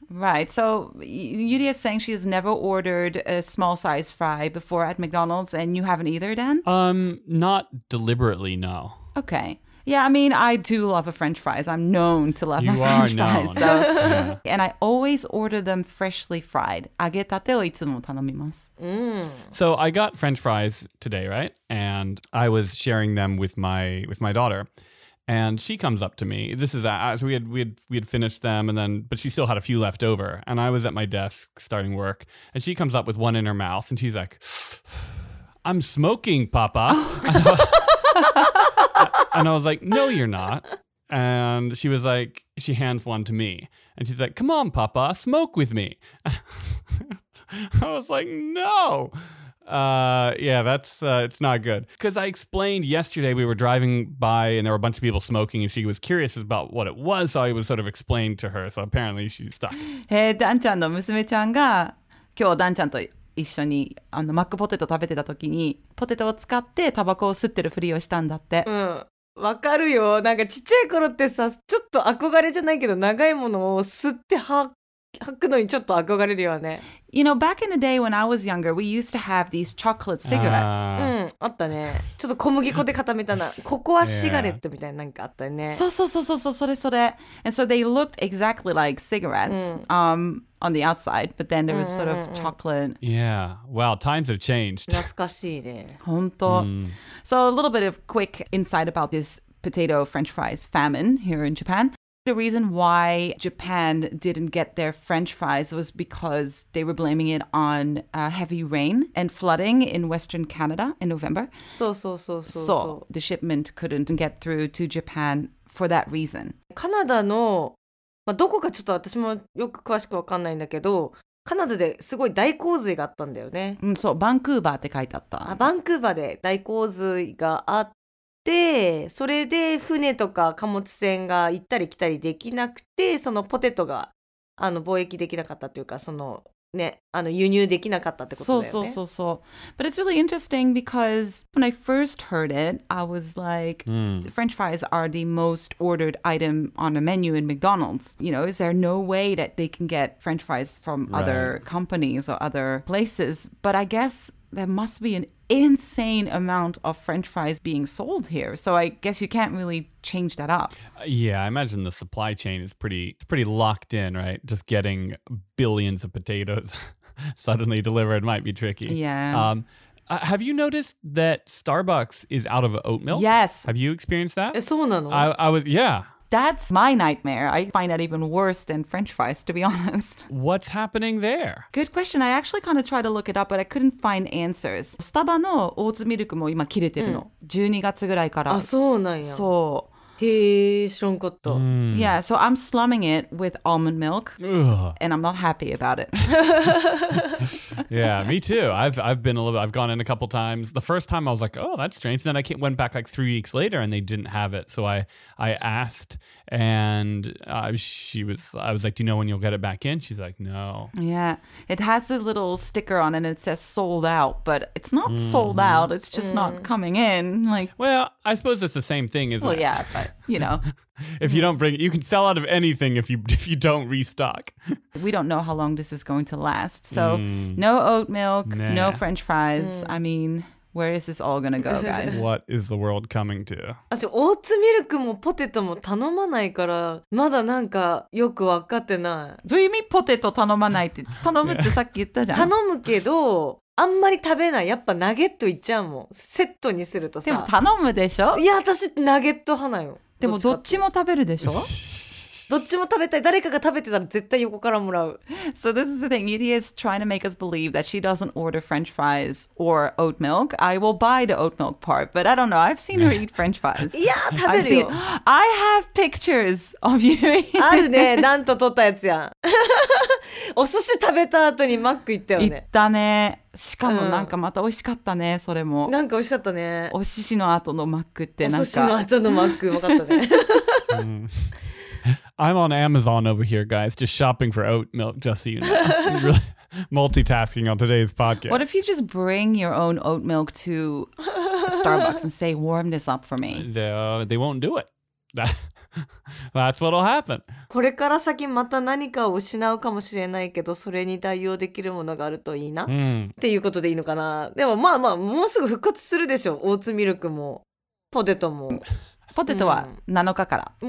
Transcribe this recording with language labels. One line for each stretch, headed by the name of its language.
English: Right, so Yuri is saying she has never ordered a small size fry before at McDonald's, and you haven't either, Dan? Not deliberately, no. Okay. Yeah, I mean, I do love a French fries. I'm known to love you my French known. Fries. You are known. And I always order them freshly fried.
Japanese: 揚げたてをいつも頼みます。
English: So I got French fries today, right? And I was sharing them with my daughter. And she comes up to me. This is, so we had finished them, and then, but she still had a few left over. And I was at my desk starting work, and she comes up with one in her mouth, and she's like, I'm smoking, Papa. And I was like, no, you're not. And she was like, she hands one to me. And she's like, come on, Papa, smoke with me. I was like, no. It's not good. Because I explained yesterday, we were driving by and there were a bunch of people smoking and she was curious about what it was. So I was sort of explained to her. So apparently she's stuck.
Japanese: Hey, Dan-chan の娘-chan が今日 Dan-chan と一緒にあのマックポテト食べてた時にポテトを使ってタバコを吸ってるふりをしたんだって。うん。わかるよ。なんかちっちゃい頃ってさ、ちょっと憧れじゃないけど長いものを吸って吐くのにちょっと憧れるよね。
English: You know, back in the day when I was younger, we used to have these chocolate cigarettes.
Japanese: あったね。ちょっと小麦粉で固めたな。ココアシガレットみたいななんかあったよね。そうそうそうそうそう、それそれ。
English: And so they looked exactly like cigarettes on the outside, but then there was sort of chocolate. Yeah. Wow, times have changed.
Japanese: 懐かしいね。本当。
English: So a little bit of quick insight about this potato French fries famine here in Japan. The reason why Japan didn't get their French fries was because they were blaming it on heavy rain and flooding in Western Canada in November. So the shipment couldn't get through to Japan for that reason.
Japanese: Canada の、まあ、どこかちょっと私もよく詳しくわかんないんだけど、カナダですごい大洪水があったんだよね。うん、そう、バンクーバーって書いてあった。あ、バンクーバーで大洪水があって、で、それで船とか貨物船が行ったり来たりできなくて、そのポテトがあの貿易できなかったというか、そのね、あの輸入できなかったってことだよね。そうそうそうそう。
English: But it's really interesting because when I first heard it, I was like, French fries are the most ordered item on a menu in McDonald's. You know, is there no way that they can get French fries from other companies or other places? But I guess there must be aninsane amount of French fries being sold here. So I guess you can't really change that up. Yeah, I imagine the supply chain is pretty locked in, right? Just getting billions of potatoes suddenly delivered might be tricky. Yeah. Have you noticed that Starbucks is out of oat milk? Yes. Have you experienced that?
Japanese: そうなの?
English: I was. That's my nightmare. I find that even worse than French fries, to be honest. What's happening there? Good question. I actually kind of tried to look it up, but I couldn't find answers.
Japanese: スタバのオーツミルクも今切れてるの。 12月ぐらいから。あ、そうなんや。そう。へー、知らんかった。
English: Yeah, so I'm slumming it with almond milk, and I'm not happy about it. Yeah, me too. I've gone in a couple times. The first time I was like, oh, that's strange. Then I went back like 3 weeks later and they didn't have it. So I asked and I was like, do you know when you'll get it back in? She's like, no. Yeah, it has a little sticker on it and it says sold out, but it's not sold out. It's just not coming in. Like, well, I suppose it's the same thing, isn't it? Well, yeah, but you know. If you don't bring it, you can sell out of anything if you don't restock. We don't know how long this is going to last. So no oat milk, no French fries. I mean, where is this all going to go, guys? What is the world coming to?
Japanese: オーツミルクもポテトも頼まないからまだなんかよくわかってない。どういう意味ポテト頼まないって頼むってさっき言ったじゃん。頼むけどあんまり食べない。やっぱナゲットいっちゃうもん。セットにするとさ。でも頼むでしょ。いや私ナゲット派なよ。でもどっちも食べるでしょ。どっちも食べたい。誰かが食べてたら絶対横からもらう。
English: So this is the thing. Yuri is trying to make us believe that she doesn't order French fries or oat milk. I will buy the oat milk part, but I don't know. I've seen her eat French fries.
Japanese: いや食べるよ。
English: I have pictures of you.
Japanese: あるね。なんと撮ったやつやん。お寿司食べた後にマック行ったよね。行ったね。しかもなんかまた美味しかったね、それも。なんか美味しかったね。お寿司の後のマックってなんか。お寿司の後のマック、分かったね。
English: I'm on Amazon over here, guys, just shopping for oat milk, just so you know. Really multitasking on today's podcast. What if you just bring your own oat milk to Starbucks and say, warm this up for me? They won't do it. That's what'll happen.
Japanese: これから先また何かを失うかもしれないけど、それに対応できるものがあるといいな。っていうことでいいのかな。でもまあまあ、もうすぐ復活するでしょ。オーツミルクも、ポテトも。ポテトは7日から。